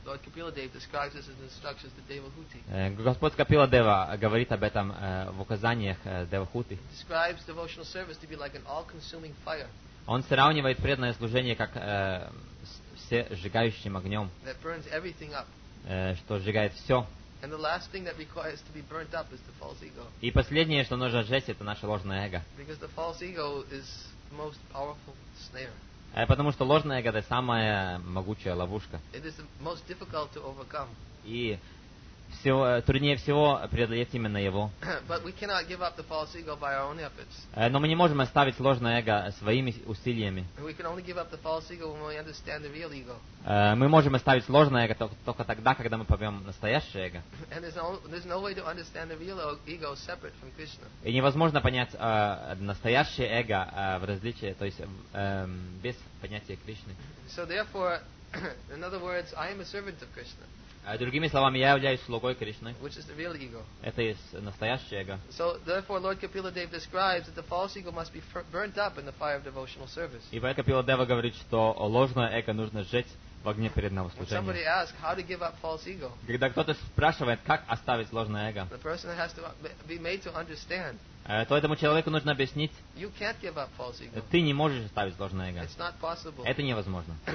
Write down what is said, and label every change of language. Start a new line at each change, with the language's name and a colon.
English: Lord Kapila Dev describes this in the instructions to Devahuti.
Russian: Господь Капила Дева говорит об этом в указаниях Девахути.
English: Describes devotional service to be like an all-consuming fire.
Russian: Он сравнивает преданное служение как все сжигающим огнем.
English: That burns everything up.
Russian: Что сжигает все.
English: And the last thing that requires to be burnt up is the false ego.
Russian: И последнее, что нужно сжечь, это наше ложное эго.
English: Because the false ego is the most powerful snare.
Russian: Потому что ложное эго — это самая могучая ловушка.
English: It is the most difficult to overcome.
Russian: И все труднее всего преодолеть именно его.
English: But we cannot give up the false ego by our own efforts.
Russian: Но мы не можем оставить ложное эго своими усилиями.
English: We can only give up the false ego when we understand the real ego.
Russian: Мы можем оставить ложное эго только тогда, когда мы поймем настоящее эго.
English: And there's no way to understand the real ego separate from Krishna.
Russian: И невозможно понять настоящее эго в различии, то есть без понятия Кришны.
English: So therefore, in other words, I am a servant of Krishna.
Russian: Другими словами, я являюсь слугой Кришны.
English: Which is the real ego.
Russian: Это есть настоящее эго.
English: So therefore, Lord Kapiladeva describes that the false ego must be burnt up in the fire of devotional service.
Russian: И Лорд Капиладева говорит, что ложное эго нужно сжечь в огне преданного служения.
English: When somebody asks how to give up false ego,
Russian: когда кто-то спрашивает, как оставить ложное эго,
English: the person has to be made to understand.
Russian: То этому человеку нужно объяснить, ты не можешь оставить ложное эго. Это невозможно.